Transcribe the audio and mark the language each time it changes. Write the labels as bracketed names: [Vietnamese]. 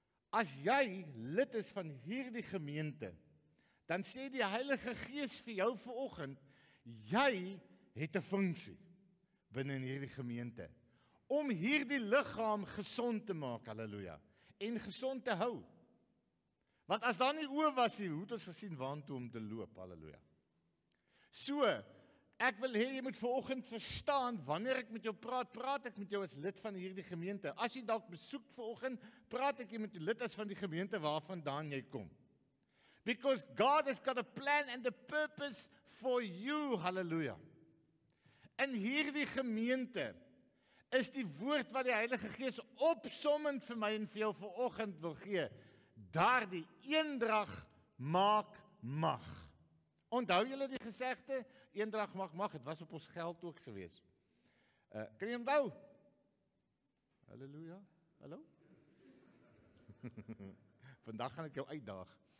[Afrikaans] As jy lid is van hierdie gemeente, dan sê die Heilige Gees vir jou vanoggend, jy het 'n funksie binne in hierdie gemeente om hierdie liggaam gesond te maak. Halleluja. En gesond te hou. Want as daar nie oë was nie, hoe het ons gesien waartoe om te loop? Halleluja. So, ek wil hê jy moet vanoggend verstaan, wanneer ek met jou praat, praat ek met jou as lid van hierdie gemeente. As jy dalk besoek vanoggend, praat ek met jou lid as van die gemeente waarvandaan jy kom. [English] Because God has got a plan and a purpose for you. [Afrikaans] Halleluja. In hierdie gemeente is die woord wat die Heilige Gees opsommend vir my en vir jou vanoggend wil gee, daardie eendrag maak mag. Onthou julle die gesegde, eendrag maak mag, het was op ons geld ook gewees. Kan jy onthou? Halleluja, hallo? Vandag gaan ek jou uitdaag.